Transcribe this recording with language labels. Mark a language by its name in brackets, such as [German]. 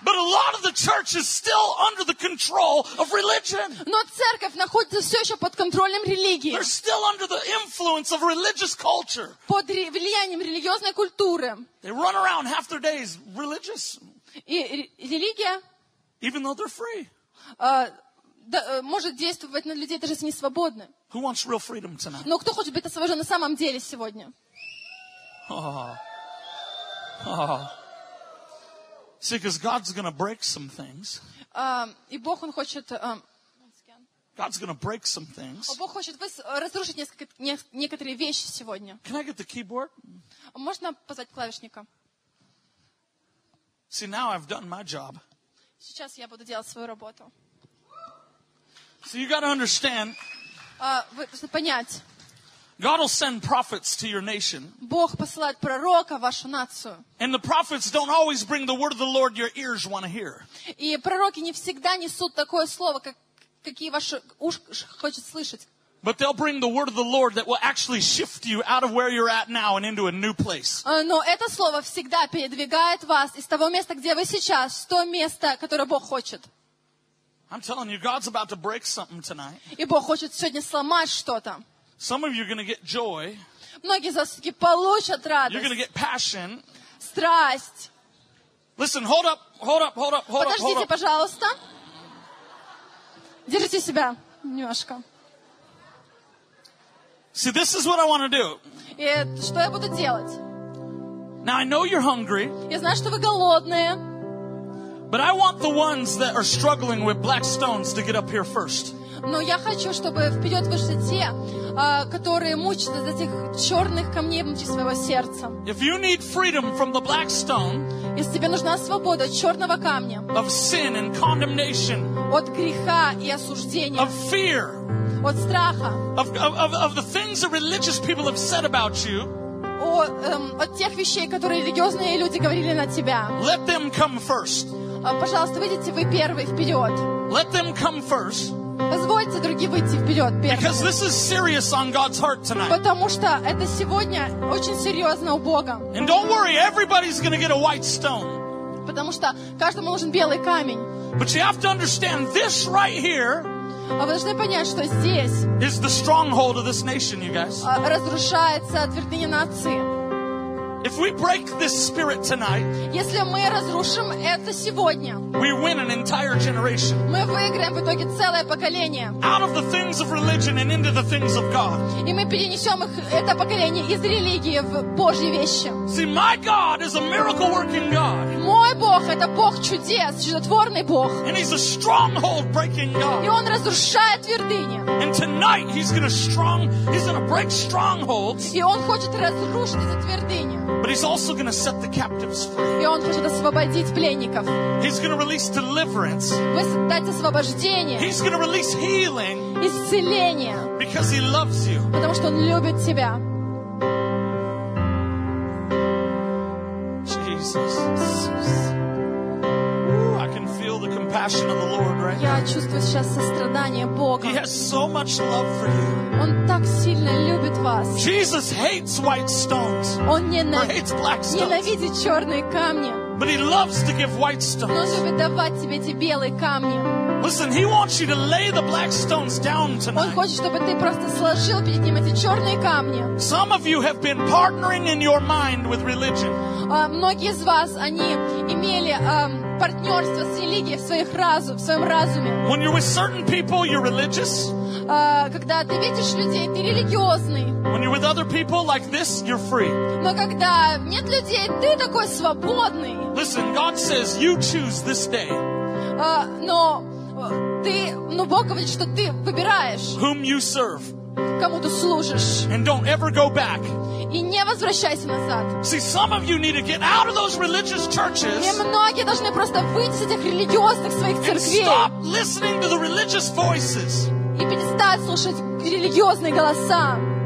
[English] But a lot of the church is still under the control of religion. [Russian] Но церковь находится все еще под контролем религии. [English] They're still under the influence of religious culture. [Russian] Под влиянием религиозной культуры. [English] They run around half their days religious. [Russian] И религия. [English] Even though they're free. [Russian] Может действовать на людей, даже если не свободны. [English] Who wants real freedom tonight? [Russian] Но кто хочет быть освобожден на самом деле сегодня? [English] See, because God's going to break some things. [Russian] И Бог, Он хочет... [English] God's going to break some things. [Russian] Бог хочет разрушить некоторые вещи сегодня. [English] Can I get the keyboard? [Russian] Можно позвать клавишника? [English] See, now I've done my job. [Russian] Сейчас я буду делать свою работу. [English] So you got to understand. [Russian] Вы должны понять. [English] God will send prophets to your nation. [Russian] Бог посылает пророка в вашу нацию. [English] And the prophets don't always bring the word of the Lord your ears want to hear. [Russian] И пророки не всегда несут такое слово, какие ваши уши хотят слышать. [English] But they'll bring the word of the Lord that will actually shift you out of where you're at now and into a new place. [Russian] Но это слово всегда передвигает вас из того места, где вы сейчас, в то место, которое Бог хочет. [English] I'm telling you, God's about to break something tonight. [Russian] И Бог хочет сегодня сломать что-то. [English] Some of you are going to get joy. [Russian] Многие из вас получат радость. [English] You're going to get passion. [Russian] Страсть. [English] Listen, hold up, hold up, hold up, hold up. [Russian] Подождите, пожалуйста. Держите себя немножко. [English] See, this is what I want to do. [Russian] И что я буду делать? [English] Now I know you're hungry. [Russian] Я знаю, что вы голодные. [English] But I want the ones that are struggling with black stones to get up here first. [Russian] Но я хочу, чтобы вперед вышли те, которые мучатся из этих черных камней внутри своего сердца. [English] If you need freedom from the black stone, [Russian] если тебе нужна свобода черного камня, [English] of sin and condemnation, [Russian] от греха и осуждения, [English] of fear, [Russian] от страха, [English] of the things that religious people have said about you, [Russian] от тех вещей, которые религиозные люди говорили на тебя, [English] let them come first. [Russian] Пожалуйста, выйдите вы первый вперед. [English] Let them come first. [Russian] Позвольте другим выйти вперед первым. [English] Because this is serious on God's heart tonight. [Russian] Потому что это сегодня очень серьезно у Бога. [English] And don't worry, everybody's going to get a white stone. [Russian] Потому что каждому нужен белый камень. [English] But you have to understand this right here. [Russian] А вы должны понять, что здесь. [English] Is the stronghold of this nation, you guys. [Russian] Разрушается твердыня нации. [English] If we break this spirit tonight, [Russian] если мы разрушим это сегодня, [English] we win an entire generation. [Russian] Мы выиграем в итоге целое поколение. [English] Out of the things of religion and into the things of God. [Russian] И мы перенесем их это поколение из религии в Божьи вещи. [English] See, my God is a miracle-working God. [Russian] Мой Бог — это Бог чудес, чудотворный Бог. [English] And He's a stronghold-breaking God. [Russian] И Он разрушает твердыни. [English] And tonight He's gonna break strongholds. [Russian] И Он хочет разрушить эти твердыни. [English] But he's also going to set the captives free. [Russian] И он хочет освободить пленников. [English] He's going to release deliverance. [Russian] Дать освобождение. [English] He's going to release healing. [Russian] Исцеление. [English] Because he loves you. [Russian] Потому что он любит тебя. [English] Jesus. I can feel the compassion of the Lord right now. [Russian] Я чувствую сейчас сострадание Бога. [English] He has so much love for you. [Russian] Он так сильно любит вас. [English] Jesus hates white stones. [Russian] Он [English] hates black stones. [Russian] Ненавидит черные камни. [English] But he loves to give white stones. [Russian] Но он любит давать тебе эти белые камни. [English] Listen, he wants you to lay the black stones down tonight. [Russian] Он хочет, чтобы ты просто сложил перед ним эти черные камни. [English] Some of you have been partnering in your mind with religion. [Russian] Многие из вас, они имели партнерство с религией в своем разуме. [English] When you're with certain people, you're religious. [Russian] Когда ты видишь людей, ты религиозный. [English] When you're with other people like this, you're free. [Russian] Но когда нет людей, ты такой свободный. [English] Listen, God says you choose this day. [Russian] Но Бог говорит, что ты выбираешь. [English] Whom you serve. [Russian] Кому ты служишь. [English] And don't ever go back. [Russian] И не возвращайся назад. [English] See, some of you need to get out of those religious churches. [Russian] И многие должны просто выйти из этих религиозных своих церквей. [English] And stop listening to the religious voices. [Russian] И перестать слушать религиозные голоса.